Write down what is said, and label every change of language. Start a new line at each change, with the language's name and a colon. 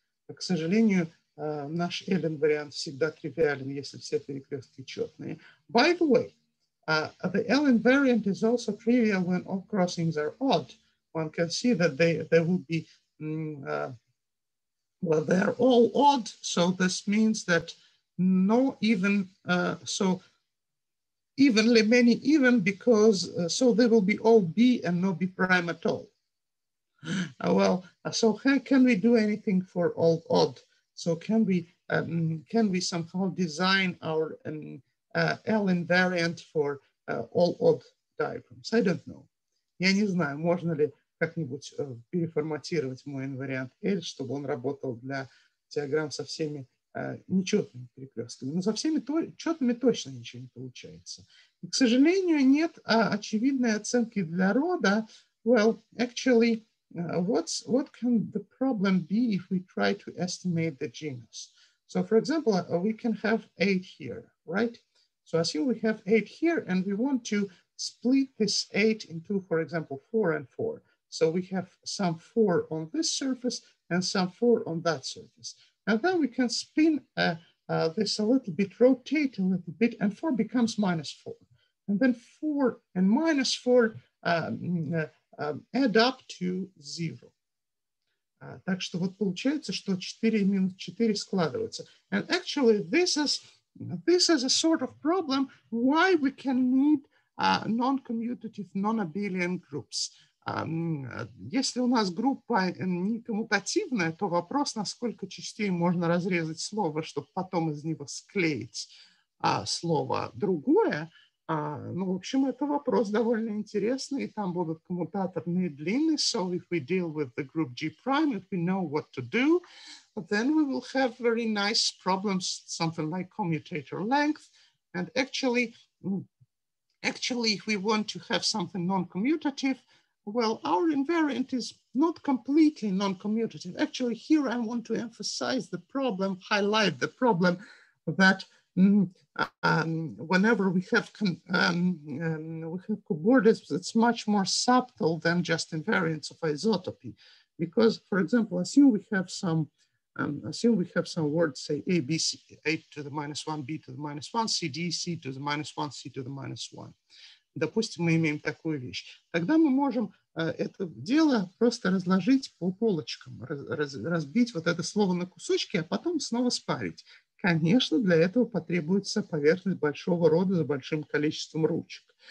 Russian: К сожалению, наш
English: even
Russian: вариант всегда тривиален, если все перекрестки четные.
English: By the way. The L invariant is also trivial when all crossings are odd. One can see that they will be, they're all odd. So this means that no even, evenly many even because, so they will be all B and no B prime at all. How can we do anything for all odd? So can we somehow design our L invariant for all odd diagrams. I don't know.
Russian: Я не знаю, можно ли как-нибудь переформатировать мой инвариант L, чтобы он работал для диаграмм со всеми нечетными перекрестками. Но со всеми четными точно ничего не получается. И, к сожалению, нет очевидной оценки для рода.
English: Well, actually, what can the problem be if we try to estimate the genus? So, for example, we can have 8 here, right? So I see we have 8 here and we want to split this 8 into, for example, 4 and 4. So we have some 4 on this surface and some 4 on that surface. And then we can spin this a little bit, rotate a little bit, and 4 becomes minus 4. And then 4 and minus 4 add up to 0.
Russian: Так что вот получается, что 4 минус 4 складывается.
English: And actually this is a sort of problem why we can need non-commutative non-abelian groups.
Russian: Если у нас группа не коммутативная, то вопрос, насколько частей можно разрезать слово, чтобы потом из него склеить слово другое. В общем, это вопрос довольно интересный, и там будут коммутаторные длины.
English: So if we deal with the group G prime, if we know what to do, then we will have very nice problems, something like commutator length. And actually, if we want to have something non-commutative, well, our invariant is not completely non-commutative. Actually, here I want to emphasize the problem, highlight the problem that whenever we have cobordisms, it's much more subtle than just invariants of isotopy. Because, for example, assume we have some words, say A, B, C, A to the minus one, B to the minus one, C, D, C to the minus one, C to the minus one.
Russian: Допустим, мы имеем такую вещь. Тогда мы можем это дело просто разложить по полочкам, разбить вот это слово на кусочки, а потом снова спарить. Конечно, для этого потребуется поверхность большого рода за большим количеством ручек.